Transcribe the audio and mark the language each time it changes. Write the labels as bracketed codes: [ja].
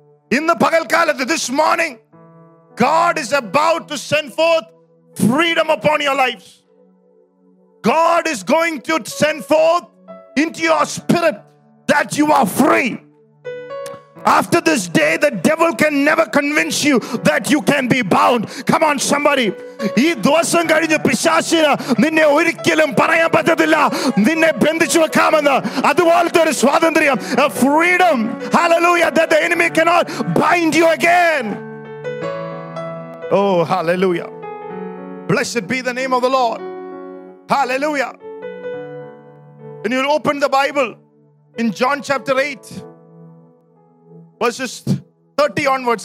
[en] In the pagalkalathu, this morning, God is about to send forth freedom upon your lives. God is going to send forth into your spirit that you are free. After this day, the devil can never convince you that you can be bound. Come on, somebody. [ml] ഈ ദിവസം കഴിഞ്ഞ് പിശാചിന് നിന്നെ ഒരിക്കലും പറയാൻ പറ്റത്തില്ല നിന്നെ ബന്ധിച്ചു വെക്കാമെന്ന്. അതുപോലത്തെ ഒരു സ്വാതന്ത്ര്യം, [en] a freedom. Hallelujah, that the enemy cannot bind you again. Oh, hallelujah. Blessed be the name of the Lord. Hallelujah. When you open the Bible in John chapter 8, verses 30 onwards.